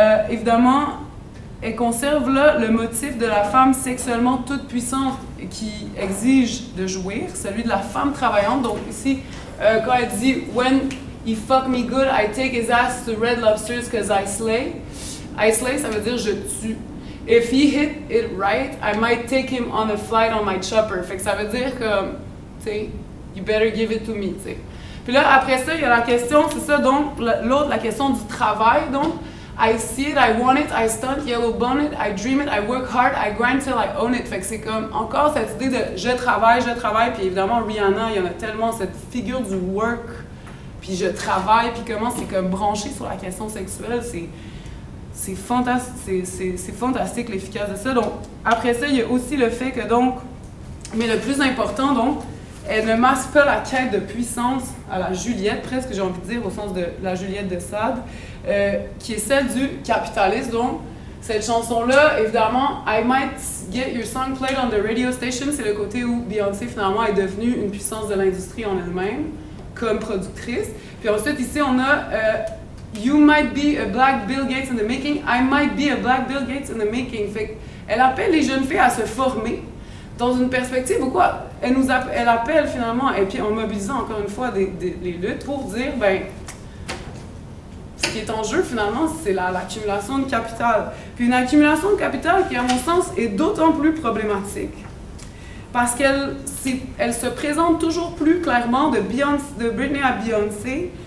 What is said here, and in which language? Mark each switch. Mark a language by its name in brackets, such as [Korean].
[French] Évidemment, elle conserve là le motif de la femme sexuellement toute puissante qui exige de jouir, celui de la femme travaillante. Donc ici, quand elle dit [English] « When he fuck me good, I take his ass to Red Lobsters because I slay ».« I slay », [French] ça veut dire « je tue ». [English] If he hit it right, I might take him on a flight on my chopper. [French] Fait que ça veut dire que, tu sais, [English] you better give it to me, [French] tu sais. Puis là, après ça, il y a la question, c'est ça, donc, l'autre, la question du travail, donc. [English] I see it, I want it, I stunt, yellow bonnet, I dream it, I work hard, I grind till I own it. [French] Fait que c'est comme encore cette idée de je travaille, puis évidemment, Rihanna, il y en a tellement cette figure du work, puis je travaille, puis comment c'est comme branché sur la question sexuelle, c'est. C'est fantastique l'efficace de ça. Donc, après ça, il y a aussi le fait que, donc, mais le plus important, donc, elle ne masque pas la quête de puissance à la Juliette, presque, j'ai envie de dire, au sens de la Juliette de Sade, qui est celle du capitaliste. Donc, cette chanson-là, évidemment, [English] I might get your song played on the radio station, [French] c'est le côté où Beyoncé, finalement, est devenue une puissance de l'industrie en elle-même, comme productrice. Puis ensuite, ici, on a. [English] You might be a black Bill Gates in the making, I might be a black Bill Gates in the making. [French] Fait qu'elle appelle les jeunes filles à se former dans une perspective où quoi? Elle appelle finalement, et puis en mobilisant encore une fois les luttes pour dire, ben, ce qui est en jeu finalement, c'est l'accumulation de capital. Puis une accumulation de capital qui, à mon sens, est d'autant plus problématique parce qu'elle se présente toujours plus clairement de Britney à Beyoncé.